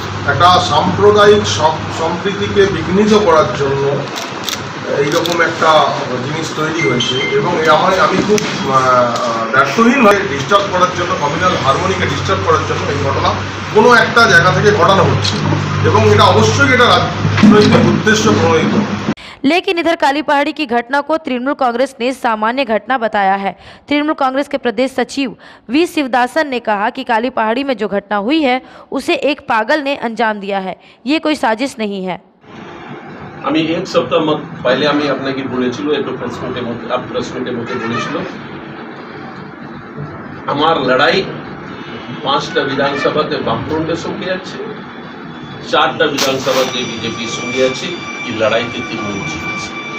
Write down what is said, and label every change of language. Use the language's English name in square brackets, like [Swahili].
[Bangla] একটা সাম্প্রদায়িক সম্প্রীতিকে বিঘ্নিত করার জন্য এইরকম একটা জিনিস তৈরি হয়েছে এবং আমি খুব ব্যর্থহীনভাবে ডিস্টার্ব করার জন্য, কমিউনাল হারমোনিকে ডিস্টার্ব করার জন্য এই ঘটনা কোনো একটা জায়গা থেকে ঘটানো হচ্ছে এবং এটা অবশ্যই এটা রাজনৈতিক উদ্দেশ্য প্রণোদিত। [Hindi] लेकिन इधर काली पहाड़ी की घटना को तृणमूल कांग्रेस ने सामान्य घटना बताया है। तृणमूल कांग्रेस के प्रदेश सचिव वी शिवदासन ने कहा कि काली पहाड़ी में जो घटना हुई है उसे एक पागल ने अंजाम दिया है, ये कोई साजिश नहीं है। [Bangla] আমি এক সপ্তাহ পহলে আমি আপনাকে বলেছিল একটু প্রেস মিটে মধ্যে আপ প্রেস মিটে মধ্যে বলেছিল আমার লড়াই পাঁচটা বিধানসভাতে বামফ্রন্টের সঙ্গে আছে, চারটা বিধানসভাতে বিজেপির সঙ্গে আছে, এই লড়াইতে তৃণমূল জিতছে।